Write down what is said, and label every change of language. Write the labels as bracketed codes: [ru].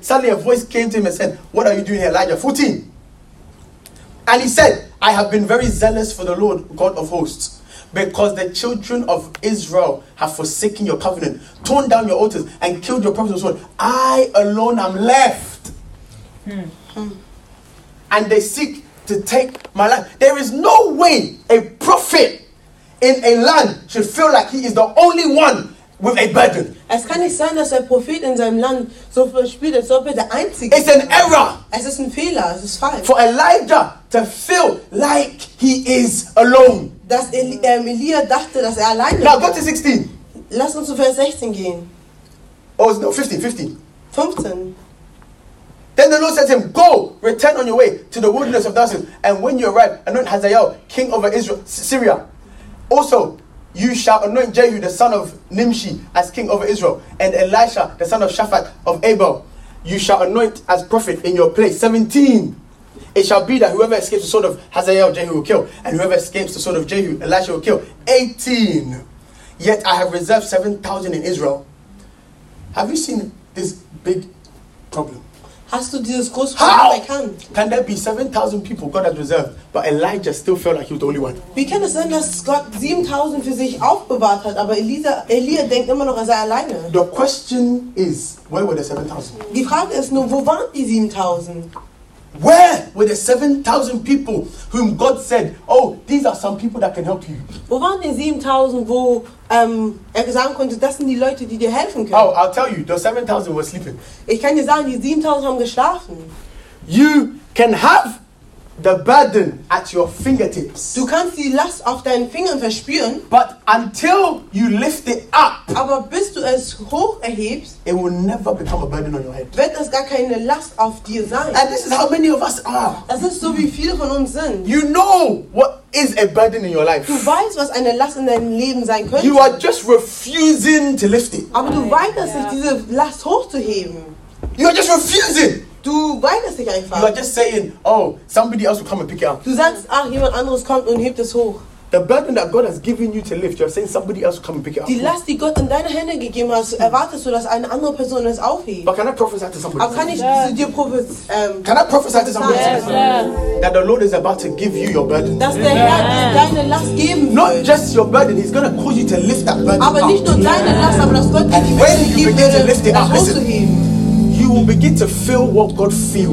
[en] Suddenly a voice came to him and said, what are you doing here, Elijah? 14. And he said, I have been very zealous for the Lord God of hosts, because the children of Israel have forsaken your covenant, torn down your altars, and killed your prophets with sword. I alone am left. And they seek to take my life. There is no way a prophet in a land should feel like he is the only one with a burden. [de] Es kann nicht sein, dass ein Prophet in seinem Land so verspielt, als ob er der Einzige. [en] It's an error. [de] Es ist ein Fehler. Es ist falsch. [en] For Elijah to feel like he is alone. [de] Dass Elia dachte, dass alleine. [en] Now go to 16. [de] Lass uns zu Vers 16 gehen. [en] Oh no, 15. 15. Then the Lord said to him, go, return on your way to the wilderness of Damascus, and when you arrive, anoint Hazael, king over Israel, Syria. Also, you shall anoint Jehu, the son of Nimshi, as king over Israel, and Elisha, the son of Shaphat of Abel, you shall anoint as prophet in your place. 17. It shall be that whoever escapes the sword of Hazael, Jehu will kill, and whoever escapes the sword of Jehu, Elisha will kill. 18. Yet I have reserved 7,000 in Israel. Have you seen this big problem? [de] Hast du dieses große Problem erkannt? [en] Can there be 7,000 people God has reserved, but Elijah still felt like he was the only one? [de] Wie kann es sein, dass Gott 7,000 für sich aufbewahrt hat, aber Elia denkt immer noch, er sei alleine? [en] The question is, where were the 7,000? [de] Die Frage ist nur, wo waren die 7,000? [en] Where were the 7,000 people whom God said, oh, these are some people that can help you? [de] Wo waren die 7,000, wo er sagen konnte, das sind die Leute, die dir helfen können? [en] Oh, I'll tell you, the 7,000 were sleeping. [de] Ich kann dir sagen, die 7,000 haben geschlafen. [en] You can have the burden at your fingertips. [de] Du kannst die Last auf deinen Fingern verspüren. [en] But until you lift it up, [de] aber bis du es hoch erhebst, [en] it will never become a burden on your head. [de] Wird das gar keine Last auf dir sein. [en] And this is how many of us are. [de] Das ist so, wie viele von uns sind. [en] You know what is a burden in your life. [de] Du weißt, was eine Last in deinem Leben sein könnte. [en] You are just refusing to lift it. [de] Aber du weigerst dich, diese Last hochzuheben. [en] You are just refusing. [de] Du weigerst dich einfach. [en] You are just saying, oh, somebody else will come and pick it up. [de] Du sagst, ach, jemand anderes kommt und hebt es hoch. [en] The burden that God has given you to lift, you are saying somebody else will come and pick it up. [de] Die Last, die Gott in deine Hände gegeben hat, erwartest du, dass eine andere Person es aufhebt. [en] But can I prophesy to somebody? [de] Aber kann ich dir [en] can I prophesy to somebody? Yeah. That the Lord is about to give you your burden. [de] Dass der Herr dir deine Last geben wird. [en] Not just your burden, he's going to cause you to lift that burden [de] aber [en] up. [de] Nicht nur deine Last, aber dass Gott [en] and when you begin to lift it up, listen. You will begin to feel what God feels.